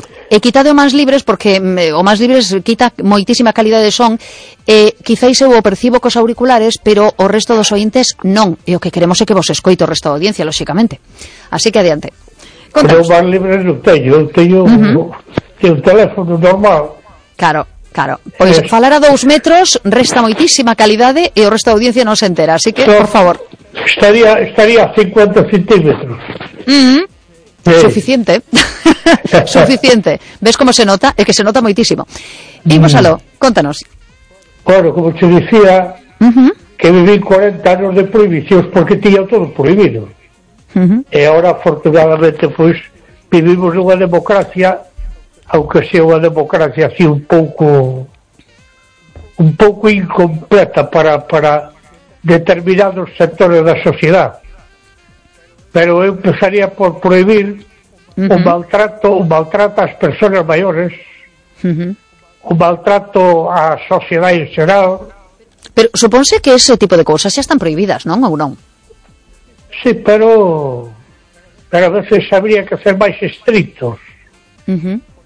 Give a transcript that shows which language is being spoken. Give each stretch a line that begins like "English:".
Galician: E quitade o máis libres, porque o máis libres quita moitísima calidade de son. Quizáis eu o percibo cos auriculares, pero o resto dos ointes non. E o que queremos é que vos escoito o resto da audiencia, lóxicamente. Así que adiante. Contanos. Pero o máis libres non teño. Teño un teléfono normal. Claro. Pois falar a 2 metros resta moitísima calidade e o resto da audiencia non se entera. Así que, por favor. Estaría a 50 centímetros.
Spanish: Suficiente. Suficiente. ¿Ves cómo se nota? Es que se nota muitísimo.
Galician: Imos aló, contanos. Claro, como te decía, que viví 40 anos de prohibicións porque tiña todo prohibido. E ahora, afortunadamente, pues, vivimos unha democracia,
Spanish: aunque sea
Galician: unha democracia así un pouco incompleta para determinados sectores da sociedade. pero eu empezaría por prohibir uh-huh. o maltrato ás persoas maiores, uh-huh. o maltrato á sociedade en xeral. Pero supónse que ese tipo de cousas xa están prohibidas, non, ou non? Sí, pero a veces habría que ser máis estritos. Uh-huh.